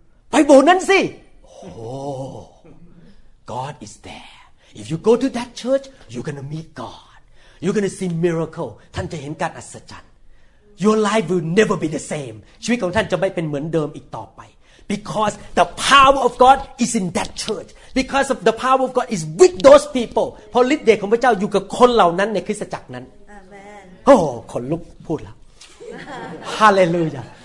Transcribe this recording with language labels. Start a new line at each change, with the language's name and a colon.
Thai: ไปโบสถ์นั้นสิโอ้
English: God is there if you go to that church you're gonna meet God you're gonna see miracle
Thai: ท่านจะเห็นการอัศจรรย์
English: your life will never be the same
Thai: ชีวิตของท่านจะไม่เป็นเหมือนเดิมอีกต่อไป
English: Because the power of God is in that church. Because of the power of God is with those people.
Thai: เพราะฤทธิ์เดชของพระเจ้าอยู่กับคนเหล่านั้นในคริสตจักรนั้น
English: Amen.
Thai: Oh, คนลุกพูดแล้ว Hallelujah.